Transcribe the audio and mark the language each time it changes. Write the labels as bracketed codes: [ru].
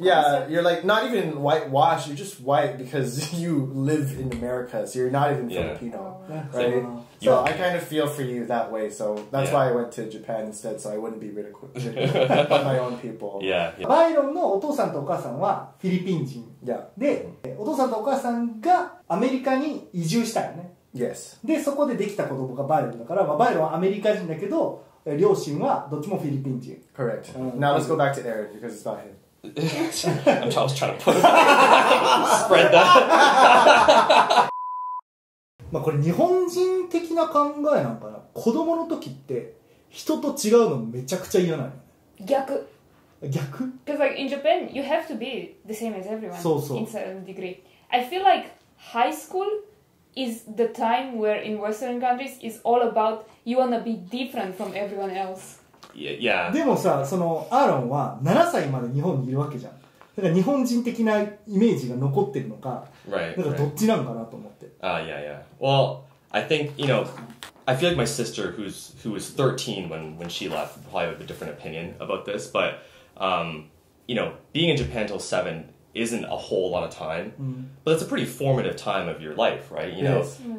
[en] Yeah, you're like, not even whitewash, you're just white because you live in America, so you're not even Filipino. Yeah. Right? Yeah. So yeah. I kind of feel for you that way, so that's why I went to Japan instead, so I wouldn't be ridiculed by my own people. Yeah. [ja] Byron のお父さんとお母さんはフィリピン人。 [en] Yeah. [ja] で、お父さんとお母さんがアメリカに移住したよね。 [en] Yes. [ja] で、そこでできた子供がバイロンだから、まあ、バイロンはアメリカ人だけど、両親はどっちもフィリピン人。 [en] Correct. Now let's go back to Aaron, because it's not him. I was trying to put spread that. [ja] まあこれ日本人的な考えなんかな、子供の時って人と違うのめちゃくちゃ嫌なの。 [en] 逆 Because like in Japan, you have to be the same as everyone. [ja] そうそう [en] in certain degree. I feel like high school is the time where in Western countries is all about you wanna be different from everyone else. Yeah, yeah. [ja] でもさ、そのアーロンは7歳まで日本にいるわけじゃん。だから日本人的なイメージが残ってるのか、 [en] right, [ja] だからどっちなんかなと思って。 [en] Ah, yeah, yeah. Well, I think, you know, I feel like my sister, who was 13 when she left, probably have a different opinion about this, but, you know, being in Japan till 7 isn't a whole lot of time, but that's a pretty formative time of your life, right? You know,